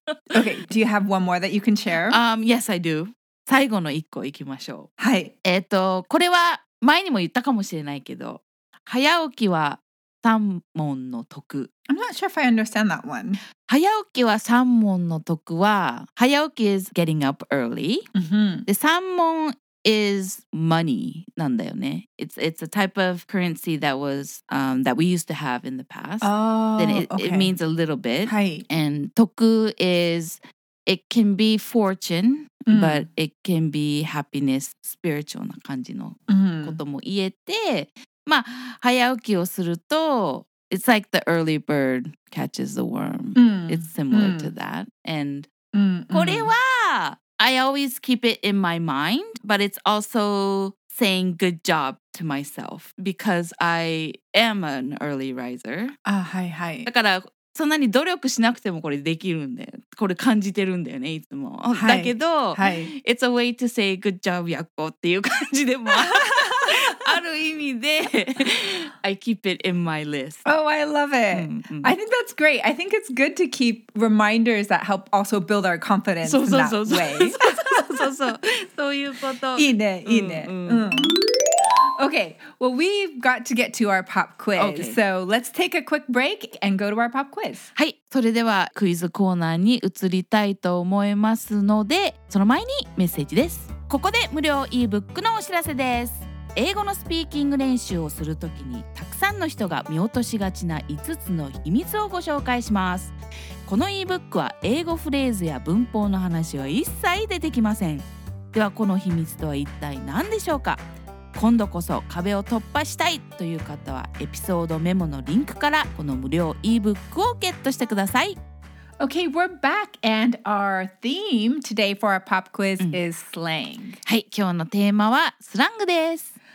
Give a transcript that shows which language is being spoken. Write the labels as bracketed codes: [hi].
[en] Okay, do you have one more that you can share? Yes, I do. [ja] 最後の一個いきましょう。はい。これは前にも言ったかもしれないけど、早起きは三問の徳。 [en] I'm not sure if I understand that one. [ja] 早起きは三問の徳は、早起き [en] is getting up early.、 Mm-hmm. [ja] で、三問 [en] is money [ja] なんだよね。 [en] It's a type of currency that was、that we used to have in the past. Oh, then it,、 okay. it means a little bit. [ja] はい。 [en] And 徳 is... It can be fortune,、mm. but it can be happiness, spiritual [ja] な感じのことも言えて、 [en] mm. [ja] まあ早起きをすると、 [en] it's like the early bird catches the worm.、 Mm. It's similar、mm. to that. And、 mm-hmm. [ja] これは、 [en] I always keep it in my mind, but it's also saying good job to myself because I am an early riser. [ja] あ、はいはい。だからそんなに努力しなくてもこれできるんで、これ感じてるんだよね、いつも。はい、だけど、はい、 [en] It's a way to say good job, [ja] やっこっていう感じでも、ある意味で、 [en] I keep it in my list. Oh, I love it. Mm-hmm. I think that's great. I think it's good to keep reminders that help also build our confidence in that way. [ja] そういうこと。いいね、いいね。うんうんうん [en] Okay, well, we've got to get to our pop quiz. Okay. So let's take a quick break and go to our pop quiz. [ja] はい、それではクイズコーナーに移りたいと思いますので、その前にメッセージです。ここで無料 e-book のお知らせです。英語のスピーキング練習をするときに、たくさんの人が見落としがちな5つの秘密をご紹介します。この e-book は英語フレーズや文法の話は一切出てきません。ではこの秘密とは一体何でしょうか?今度こそ壁を突破したいという方はエピソードメモのリンクからこの無料 e-book をゲットしてください。 [en] Okay, we're back and our theme today for our pop quiz is slang. [ja] はい、今日のテーマはスラングです。